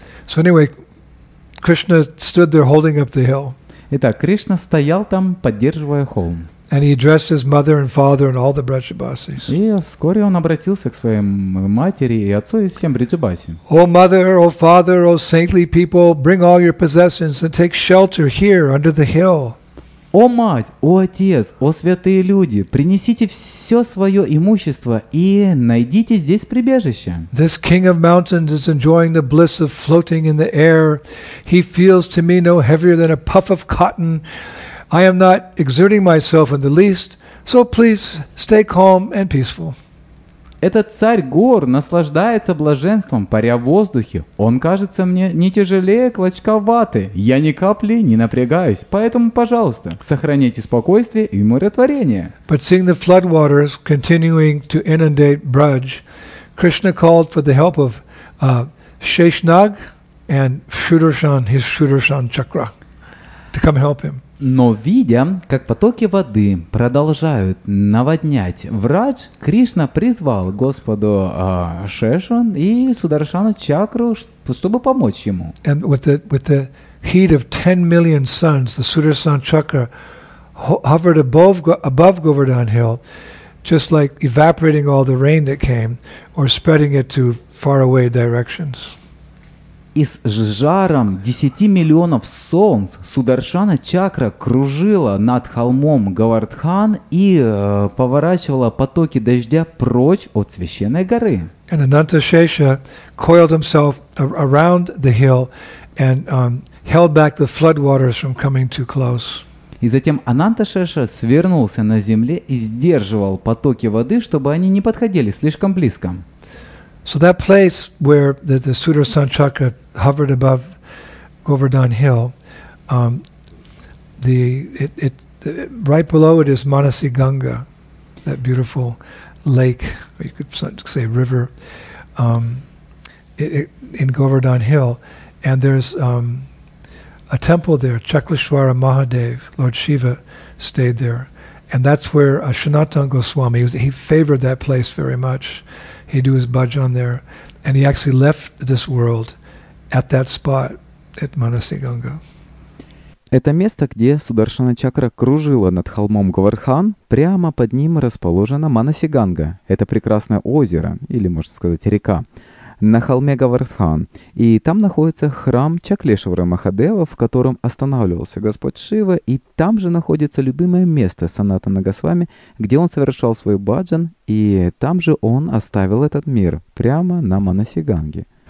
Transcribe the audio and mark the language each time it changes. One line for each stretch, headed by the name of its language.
English: So anyway, Krishna stood there holding up the hill.
Russian: Итак, Кришна стоял там, поддерживая холм.
English: And he addressed his mother and father and all the Брджабасис.
Russian: И вскоре он обратился к своим матери и отцу и всем Брджабасим.
English: "O mother, O father, O saintly people, bring all your possessions and take shelter here under the hill."
Russian: О мать, о отец, о святые люди, принесите все свое имущество и найдите здесь прибежище.
English: This king of mountains is enjoying the bliss of floating in the air. He feels to me no heavier than a puff of cotton. I am not exerting myself in the least, so please stay calm and peaceful.
Russian: Этот царь гор наслаждается блаженством, паря в воздухе. Он кажется мне не тяжелее клочка ваты. Я ни капли не напрягаюсь. Поэтому, пожалуйста, сохраните спокойствие и умиротворение.
English: But seeing the floodwaters continuing to inundate Braj, Krishna called for the help of Sheshnag and Sudarshan, his Sudarshan Chakra, to come help him.
Russian: Но видя, как потоки воды продолжают наводнять Врадж, Кришна призвал Господу Шешан и Сударшану Чакру, чтобы помочь ему.
English: And with the heat of 10 million suns, the Sudarshan Chakra hovered above Govardhan Hill, just like evaporating all the rain that came or spreading it to faraway directions.
Russian: и с жаром 10 миллионов солнц Сударшана чакра кружила над холмом Говардхан и поворачивала потоки дождя прочь от священной горы.
English: And Anantashesha coiled himself around the hill and held back the floodwaters from coming too close.
Russian: И затем Ананташеша свернулся на земле и сдерживал потоки воды, чтобы они не подходили слишком близко.
English: So that place where the Sudarshan chakra hovered above Govardhan Hill, right below it is Manasi Ganga, that beautiful lake, or you could say river, in Govardhan Hill, and there's a temple there, Chakleshwara Mahadev, Lord Shiva stayed there, and that's where Sanatan Goswami, he favored that place very much. He'd do his bhajan there, and he actually left this world at that spot at Manasi Ganga.
Russian: Это место, где Сударшана чакра кружила над холмом Говардхан, прямо под ним расположена Манаси Ганга. Это прекрасное озеро, или можно сказать река, на холме Говардхан. И там находится храм Чаклешвара Махадева, в котором останавливался Господь Шива, и там же находится любимое место Санатана Госвами, где он совершал свой бхаджан, и там же он оставил этот мир, прямо на Манаси Ганге.